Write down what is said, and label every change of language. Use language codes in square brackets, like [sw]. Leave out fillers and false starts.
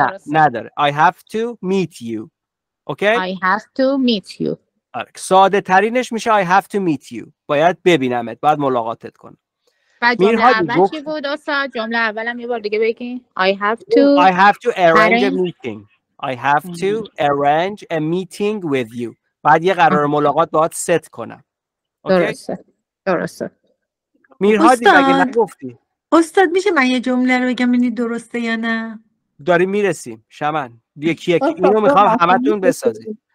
[fa] نه نداره. [en] I have to meet you. Okay. I have to meet you. [fa] ساده ترینش میشه [en] I have to meet you. [fa] باید ببینمت باید ملاقاتت کنم. بعد جمله اول چی بود استاد؟ جمله اولم یه بار دیگه بگین. [en] I have to arrange a meeting. I have to arrange a meeting with you. [fa] بعد یه قرار ملاقات باهات ست کنم. درسته. میرهادی اگه نگفتی. استاد میشه من یه جمله رو بگم اینی درسته یا نه؟ داریم میرسیم. شمن. یکی اینو میخوام همتون بسازید.